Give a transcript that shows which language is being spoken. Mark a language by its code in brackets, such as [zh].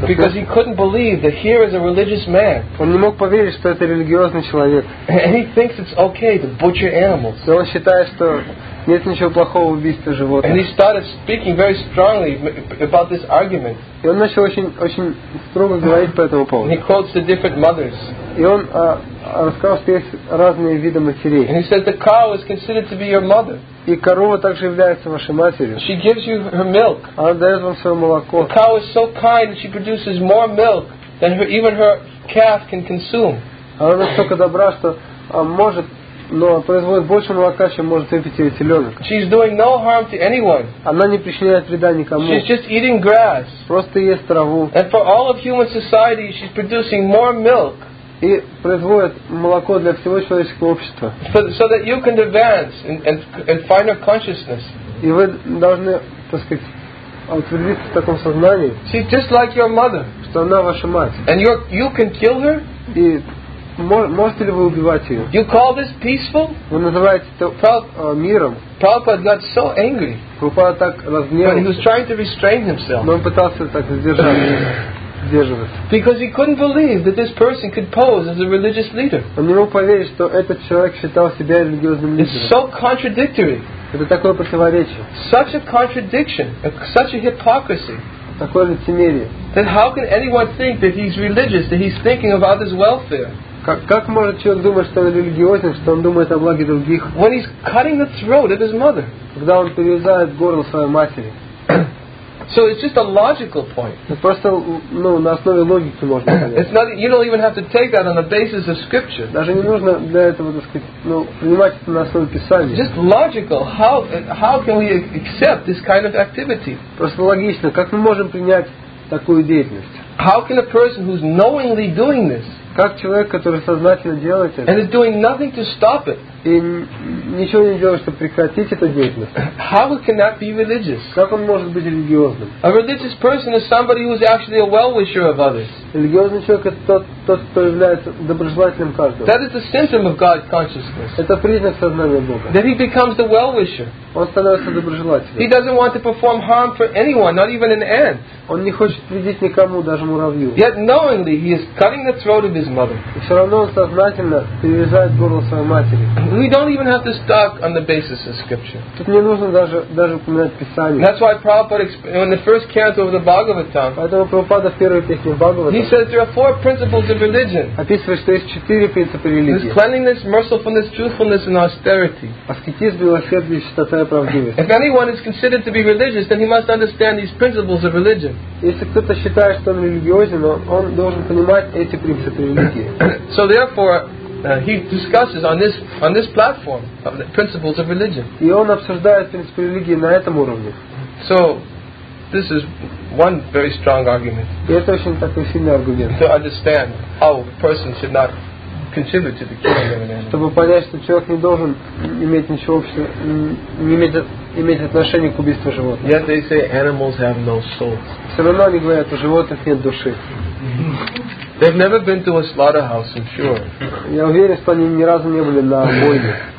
[en] Because he couldn't believe that here is a religious man. [ru] Он не мог поверить, что это религиозный человек. [en] And he thinks it's okay to butcher animals. [ru] Он считает, что нет ничего плохого в убийстве животных. [en] And he started speaking very strongly about this argument. [ru] И он начал очень строго говорить по этому поводу. [en] He quotes the different mothers. [ru] И он рассказал, что есть разные виды матерей. [en] And he says the cow is considered to be your mother. [ru] И корова также является вашей матерью. [en] She gives you her milk. [ru] Она дает вам свое молоко. [en] The cow is so kind that she produces more milk than even her calf can consume. [ru] Она настолько добра, что может, но производит больше молока, чем может выпить ее теленок. [en] She's doing no harm to anyone. [ru] Она не причиняет вреда никому. [en] She's just eating grass. [ru] Просто ест траву. [en] And for all of human society, she's producing more milk. [ru] И производит молоко для всего человеческого общества. [en] So that you can advance in finer consciousness. [ru] И вы должны, так сказать, утвердиться в таком сознании. [en] She's just like your mother. [ru] Что она ваша мать. [en] And you can kill her. [ru] И можете ли вы убивать ее? [en] You call this peaceful? [ru] Вы называете это миром? [en] Prabhupada got so angry. [ru] Прабхупада так разгневался. [en] But he was trying to restrain himself. [ru] Но он пытался так сдерживаться. [en] Because he couldn't believe that this person could pose as a religious leader. [ru] Он не мог поверить, что этот человек считал себя религиозным лидером. [en] It's so contradictory. [ru] Это такое противоречие. [en] Such a contradiction, such a hypocrisy. [ru] Такое лицемерие. [en] Then how can anyone think that he's religious, that he's thinking of others' welfare? [ru] Как может человек думать, что он религиозен, что он думает о благе других? [en] When he's cutting the throat of his mother. [ru] Когда он перерезает горло своей матери. [en] So it's just a logical point. [ru] Просто, ну, на основе логики можно понять. [en] It's not, you don't even have to take that on the basis of scripture. [ru] Даже не нужно для этого, так сказать, ну, принимать это на основе Писания. [en] Just logical. How can we accept this kind of activity? [ru] Просто логично. Как мы можем принять такую деятельность? [en] How can a person who's knowingly doing this, [ru] как человек, который сознательно делает это, [en] and is doing nothing to stop it, [ru] и ничего не делаешь, чтобы прекратить эту деятельность. [en] How can that be religious? [ru] Как он может быть религиозным? [en] A religious person is somebody who is actually a well-wisher of others. [ru] Религиозный человек — это тот, кто является доброжелателем каждого. [en] That is a symptom of God's consciousness. [ru] Это признак сознания Бога. [en] That he becomes the well-wisher. [ru] Он становится доброжелателем. [en] He doesn't want to perform harm for anyone, not even an ant. [ru] Он не хочет вредить никому, даже муравью. [en] Yet knowingly he is cutting the throat of his mother. [ru] И все равно он сознательно перерезает горло своей матери. [en] We don't even have to talk on the basis of scripture. [ru] Тут не нужно даже упоминать Писание. [en] That's why Prabhupada, in the first canto of the Bhagavatam, [ru] поэтому Прабхупада в первой песне Бхагаватам, [en] he says there are four principles of religion. [ru] Описывает, что есть четыре принципа религии. [en] There's cleanliness, mercifulness, truthfulness, and austerity. [ru] Аскетизм, милосердие, чистота и правдивость. [en] If anyone is considered to be religious, then he must understand these principles of religion. [ru] Если кто-то считает, что он религиозен, он должен понимать эти принципы религии. [en] So therefore, he discusses on this platform of the principles of religion. [ru] И он обсуждает принципы религии на этом уровне. [en] So this is one very strong argument. [ru] И это очень такой сильный аргумент. [en] To understand how a person should not contribute to the killing of an animal. [ru] Чтобы понять, что человек не должен иметь ничего общего, не иметь отношения к убийству животных. [en] Yet they say animals have no souls. [ru] Все равно они говорят, у животных нет души. [en] They've never been to a slaughterhouse, I'm sure. [ru] Я уверен, что они ни разу не были на бойне.